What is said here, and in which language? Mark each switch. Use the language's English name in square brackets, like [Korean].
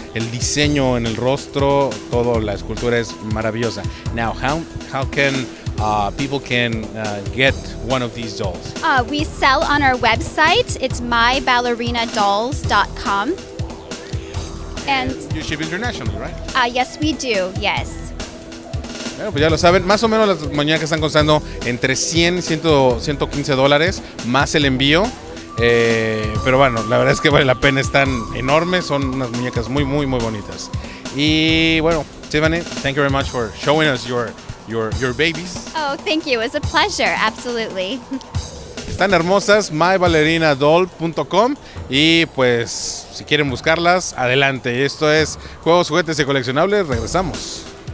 [Spanish] El diseño en el rostro, toda la escultura es maravillosa. [English] Now, how can people can get one of these dolls? We sell on our website. It's myballerinadolls.com. And you ship internationally, right? Yes, we do. Yes. [Spanish] Bueno, pues ya lo saben, más o menos las muñecas están costando entre 100 y 115 dólares más el envío. Pero bueno, la verdad es que vale la pena, están enormes, son unas muñecas muy, muy, muy bonitas. Y bueno, [English] Tiffany, thank you very much for showing us your babies. Oh, thank you, it was a pleasure, absolutely. [Spanish] Están hermosas, myballerinadoll.com, y pues si quieren buscarlas, adelante. Esto es Juegos, Juguetes y Coleccionables, regresamos.